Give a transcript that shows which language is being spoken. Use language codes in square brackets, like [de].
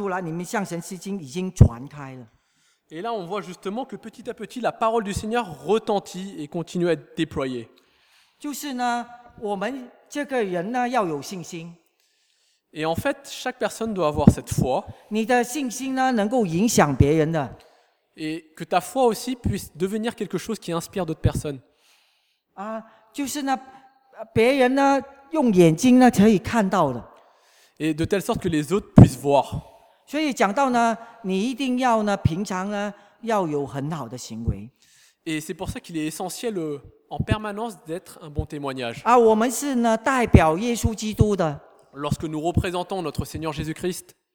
[zh] 就讲到呢，这个主的道呢，就慢慢传出来，你们向神吸睛，已经传开了。 [fr] Et là, on voit justement que petit à petit, la parole du Seigneur retentit et continue à être déployée. [zh] 就是呢，我们这个人呢要有信心。 [fr] Et en fait, chaque personne doit avoir cette foi. [zh] 你的信心呢，能够影响别人的。 [fr] Et que ta foi aussi puisse devenir quelque chose qui inspire d'autres personnes. [zh] 就是呢，别人呢用眼睛呢可以看到的。 [fr] Et de telle sorte que les autres puissent voir. [zh] 所以讲到呢，你一定要呢，平常呢要有很好的行为。 [fr] Et c'est pour ça qu'il est essentiel en permanence d'être un bon témoignage. [zh] 啊，我们是呢代表耶稣基督的。 [fr] Lorsque nous représentons notre Seigneur Jésus-Christ.